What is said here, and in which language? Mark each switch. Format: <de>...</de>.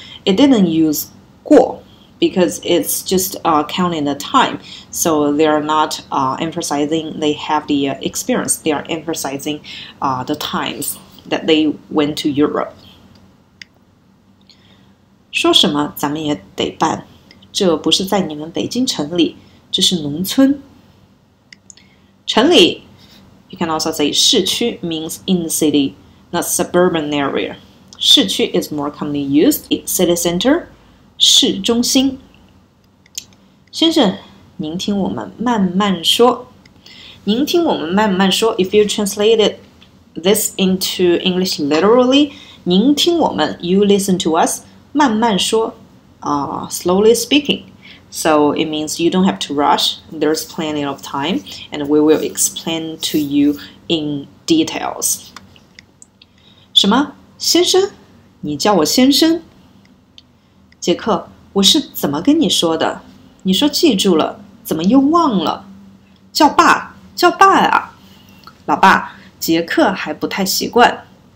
<en>It didn't use 过, because it's just counting the time, so they are not emphasizing they have the experience, they are emphasizing the times that they went to Europe.</en> <zh>说什么咱们也得办, 这不是在你们北京城里, 这是农村。</zh> <en>城里, you can also say 市区 means in the city, not suburban area. 市区 is more commonly used, city center,</en> <zh>市中心。先生,您听我们慢慢说。您听我们慢慢说,</zh> <en>if you translate it, this into English literally,</en> <zh>您听我们,</zh> <en>you listen to us,</en> <zh>慢慢说,</zh> <en>slowly speaking. So it means you don't have to rush, there's plenty of time, and we will explain to you in details.</en> <zh>什么?先生?你叫我先生? 杰克,我是怎么跟你说的?你说记住了,怎么又忘了? 叫爸,叫爸啊!老爸,杰克还不太习惯。</zh>